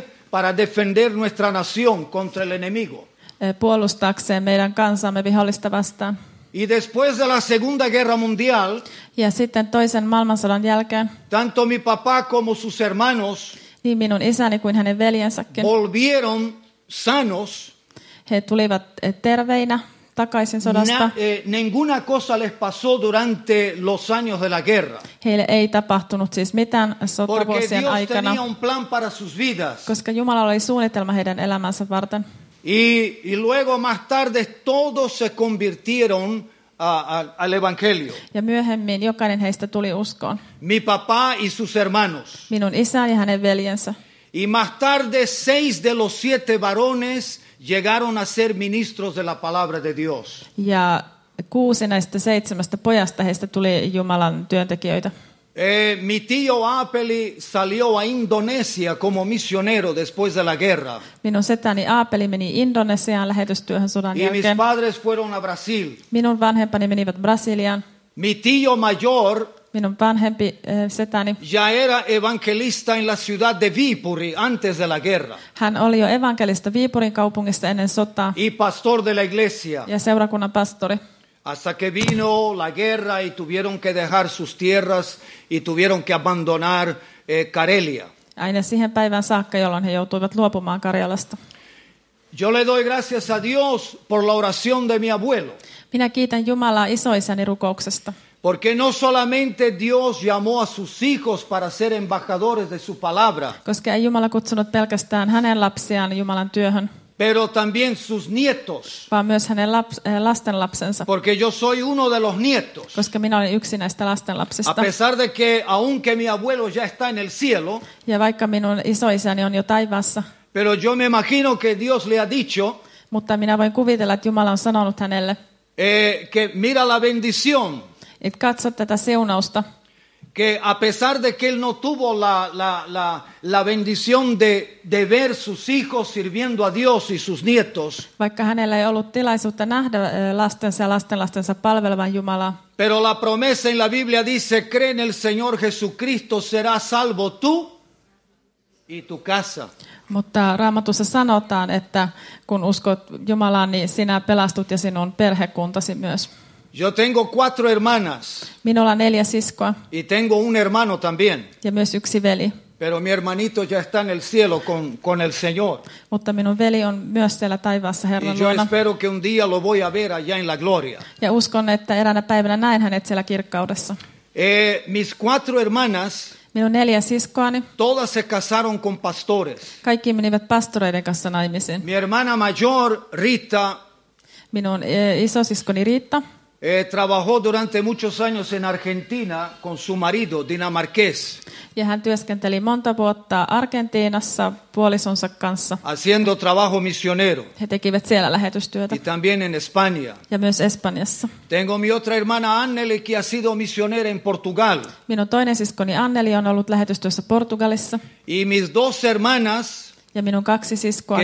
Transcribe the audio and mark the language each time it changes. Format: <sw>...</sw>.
<es>Para defender nuestra nación contra el enemigo.</es> <fi>Puolustaakseen meidän kansamme vihollista vastaan.</fi> <es>Y después de la Segunda Guerra Mundial.</es> <fi>Ja sitten toisen maailmansodan jälkeen.</fi> <es>Tanto mi papá como sus hermanos.</es> <fi>Niin minun isäni kuin hänen veljensäkin.</fi> <es>Volvieron sanos.</es> <fi>He tulivat terveinä. Takaisin sodasta.</fi> <es>Ninguna cosa les pasó durante los años de la guerra.</es> <fi>Heille ei tapahtunut siis mitään sotavuosien aikana.</fi> <es>Porque Dios tenía un plan para sus vidas.</es> <fi>Koska Jumala oli suunnitelma heidän elämänsä varten.</fi> <es>Y luego más tarde todos se convirtieron al evangelio.</es> <fi>Ja myöhemmin jokainen heistä tuli uskoon.</fi> <es>Mi papá y sus hermanos.</es> <fi>Minun isäni ja hänen veljensä.</fi> <es>Y más tarde 6 de los 7 varones llegaron a ser ministros de la palabra de Dios.</es> <fi>Ja 6 näistä 7 pojasta heistä tuli Jumalan työntekijöitä.</fi> <es>Mi tío Apeli salió a Indonesia como misionero después de la guerra.</es> <fi>Minun setäni Apeli meni Indonesiaan lähetystyöhön sodan jälkeen.</fi> <es>Y mis padres fueron a Brasil.</es> <fi>Minun vanhempani menivät Brasiliaan.</fi> <es>Mi tío mayor.</es> <fi>Minun vanhempi setäni.</fi> <es>Ya era evangelista en la ciudad de Viipuri antes de la guerra.</es> <fi>Hän oli jo evankelista Viipurin kaupungissa ennen sotaa.</fi> <es>Y pastor de la iglesia.</es> <fi>Ja seurakunnan pastori.</fi> <es>Hasta que vino la guerra y tuvieron que dejar sus tierras y tuvieron que abandonar Karelia.</es> <fi>Aina siihen päivän saakka, jolloin he joutuivat luopumaan Karjalasta.</fi> <es>Yo le doy gracias a Dios por la oración de mi abuelo.</es> <fi>Minä kiitän Jumalaa isoisäni rukouksesta.</fi> <es>Porque no solamente Dios llamó a sus hijos para ser embajadores de su palabra.</es> <fi>Koska ei Jumala kutsunut pelkästään hänen lapsiaan Jumalan työhön.</fi> <es>Pero también sus nietos.</es> <fi>Vaan myös hänen lastenlapsensa.</fi> <es>Porque yo soy uno de los nietos.</es> <fi>Koska minä olen yksi näistä lastenlapsista.</fi> <es>A pesar de que aunque mi abuelo ya está en el cielo.</es> <fi>Ja vaikka minun isoisäni on jo taivaassa.</fi> <es>Pero yo me imagino que Dios le ha dicho.</es> <fi>Mutta minä voin kuvitella, että Jumala on sanonut hänelle.</fi> <es>Que mira la bendición.</es> <fi>Et katso tätä seunausta.</fi> <es>Que a pesar de que él no tuvo la bendición de ver sus hijos sirviendo a Dios y sus nietos.</es> <fi>Vaikka hänellä ei ollut tilaisuutta nähdä lastensa ja lastenlastensa palvelevan Jumalaa.</fi> <es>Pero la promesa en la Biblia dice, cree en el Señor Jesucristo, será salvo tú y tu casa.</es> <fi>Mutta Raamatussa sanotaan, että kun uskot Jumalaan, niin sinä pelastut ja sinun perhekuntasi myös.</fi> <es>Yo tengo 4 hermanas.</es> <fi>Minulla on 4 siskoa.</fi> <es>Y tengo un hermano también.</es> <fi>Ja myös yksi veli.</fi> <es>Pero mi hermanito ya está en el cielo con el Señor.</es> <fi>Mutta minun veli on myös siellä taivaassa Herran luona.</fi> <es>Y yo espero que un día lo voy a ver allá en la gloria.</es> <fi>Ja uskon, että eräänä päivänä näen hänet siellä kirkkaudessa.</fi> <es>Mis 4 hermanas.</es> <fi>Minun 4 siskoani.</fi> <es>Todas se casaron con pastores.</es> <fi>Kaikki menivät pastoreiden kanssa naimisiin.</fi> <es>Mi hermana mayor Rita.</es> <fi>Minun isosiskoni Rita.</fi> <es>trabajó durante muchos años en Argentina con su marido dinamarqués.</es> <fi>Ja hän työskenteli monta vuotta Argentiinassa puolisonsa kanssa.</fi> <es>Haciendo trabajo misionero.</es> <fi>He tekivät siellä lähetystyötä.</fi> <es>Y también en España.</es> <fi>Ja myös Espanjassa.</fi> <es>Tengo mi otra hermana Anneli que ha sido misionera en Portugal.</es> <fi>Minun toinen siskoni Anneli on ollut lähetystyössä Portugalissa.</fi> <es>Y mis dos hermanas.</es> <fi>Ja minun kaksi siskoani,</fi>